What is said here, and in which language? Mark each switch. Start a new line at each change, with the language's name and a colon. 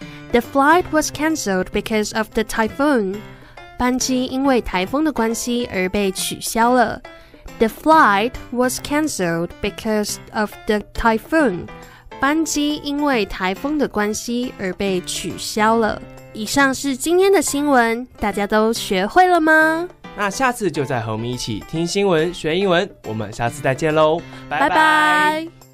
English: The flight was cancelled because of the typhoon。
Chinese: 班机因为台风的关系而被取消了。
English: The flight was cancelled because of the typhoon。
Chinese: 班机因为台风的关系而被取消了。以上是今天的新闻，大家都学会了吗？那下次就再和我们一起听新闻学英文，我们下次再见喽，拜拜。拜拜。